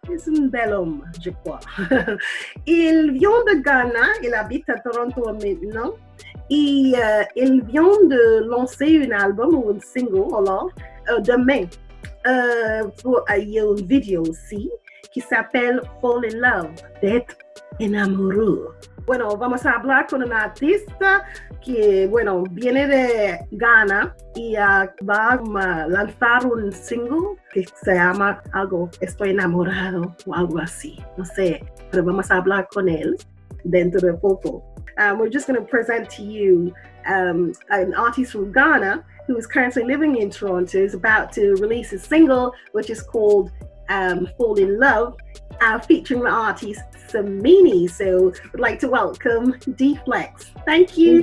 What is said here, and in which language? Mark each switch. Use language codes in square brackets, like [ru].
[fr] C'est un bel homme, je crois. Il vient de Ghana, il habite à Toronto maintenant. Et il vient de lancer un album ou un single alors, demain. Il y a une vidéo aussi qui s'appelle Fall in Love, d'être en amoureux. [es] Bueno, vamos a hablar con un artista que, bueno, viene de Ghana y va a lanzar un single que se llama algo, Estoy Enamorado o algo así, no sé, pero vamos a hablar con él dentro de poco. [en] We're just going to present to you an artist from Ghana who is currently living in Toronto, is about to release his single, which is called Fall in Love, featuring the artist Samini. So I'd like to welcome DFlex. Thank you.